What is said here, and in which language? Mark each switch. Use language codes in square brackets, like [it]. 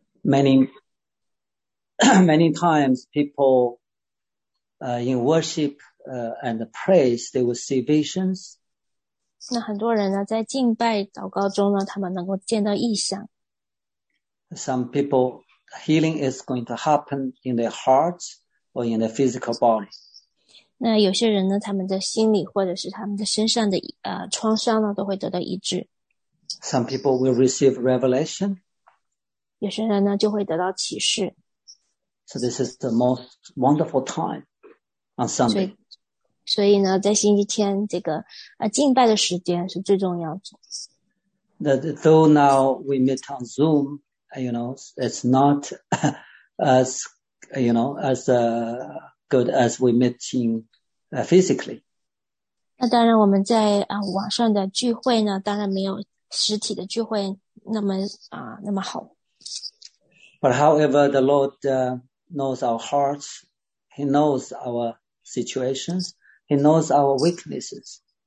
[en] many times people in worship and praise, they will see visions. [zh] 那很多人呢，在敬拜祷告中呢，他们能够见到异象。 [en] Some people healing is going to happen in their hearts or in their physical body. [zh] 那有些人呢，他们的心理或者是他们的身上的创伤呢，都会得到医治。 [en] Some people will receive revelation. [zh] 有些人呢，就会得到启示。 [en] So this is the most wonderful time on Sunday. [zh] 所以呢，在星期天这个敬拜的时间是最重要的。 [en] Though now we meet on Zoom, you know, it's not as you know as good as we meet in physically. [zh] 那当然，我们在网上的聚会呢，当然没有实体的聚会那么好。 [en] But however, the Lord knows our hearts. He knows our situations. He knows our weaknesses.